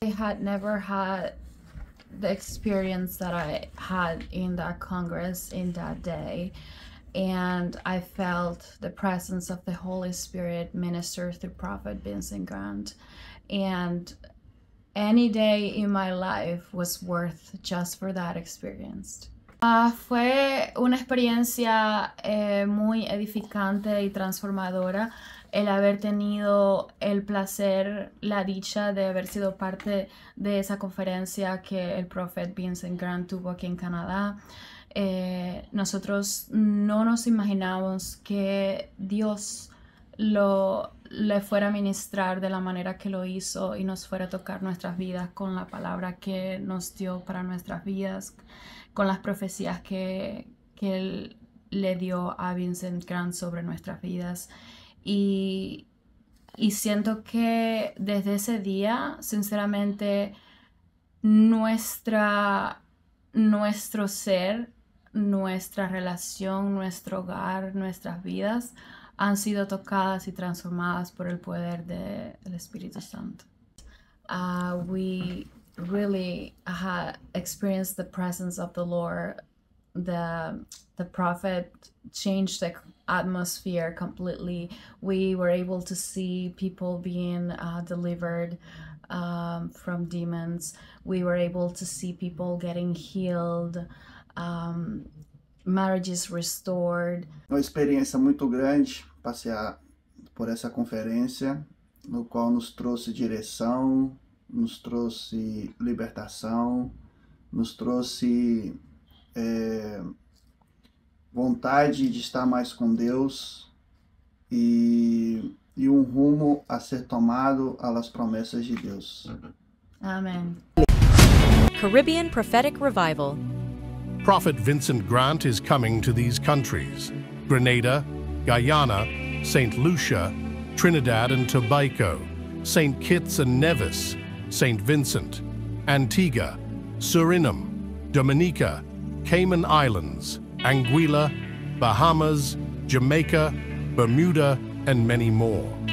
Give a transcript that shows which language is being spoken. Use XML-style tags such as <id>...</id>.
<en>I had never had the experience that I had in that Congress in that day, and I felt the presence of the Holy Spirit minister through Prophet Vincent Grant, and any day in my life was worth just for that experience.</en> <es>Fue una experiencia muy edificante y transformadora el haber tenido el placer, la dicha de haber sido parte de esa conferencia que el profeta Vincent Grant tuvo aquí en Canadá. Nosotros no nos imaginamos que Dios le fuera a ministrar de la manera que lo hizo y nos fuera a tocar nuestras vidas con la palabra que nos dio para nuestras vidas, con las profecías que él le dio a Vincent Grant sobre nuestras vidas. Y siento que desde ese día, sinceramente, nuestro ser, nuestra relación, nuestro hogar, nuestras vidas han sido tocadas y transformadas por el poder del Espíritu Santo.</es> <en>We really had experienced the presence of the Lord. The prophet changed the atmosphere completely. We were able to see people being delivered from demons. We were able to see people getting healed, marriages restored.</en> <pt>Uma experiência muito grande passear por essa conferência, no qual nos trouxe direção, nos trouxe libertação, nos trouxe vontade de estar mais com Deus e um rumo a ser tomado às promessas de Deus. Amém.</pt> <en>Caribbean Prophetic Revival. Prophet Vincent Grant is coming to these countries: Grenada, Guyana, St. Lucia, Trinidad and Tobago, St. Kitts and Nevis, St. Vincent, Antigua, Suriname, Dominica, Cayman Islands, Anguilla, Bahamas, Jamaica, Bermuda, and many more.</en>